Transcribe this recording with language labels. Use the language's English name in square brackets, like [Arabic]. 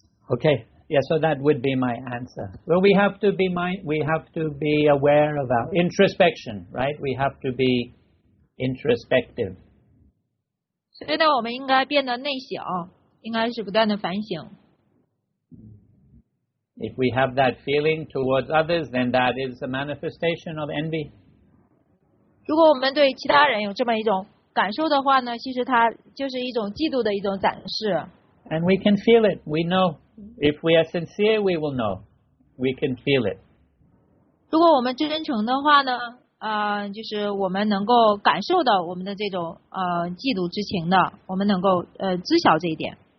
[English] Okay, yeah. So that would be my answer. Well, we have to be we have to be aware of our introspection, right? We have to be introspective. [Chinese] 所以呢，我们应该变得内省，应该是不断的反省。 [English] If we have that feeling towards others, then that is a manifestation of envy. [Chinese] 如果我们对其他人有这么一种感受的话呢，其实它就是一种嫉妒的一种展示。 [English] And we can feel it. We know. If we are sincere, we will know. We can feel it. [Chinese] 如果我们真诚的话呢，就是我们能够感受到我们的这种嫉妒之情的，我们能够知晓这一点。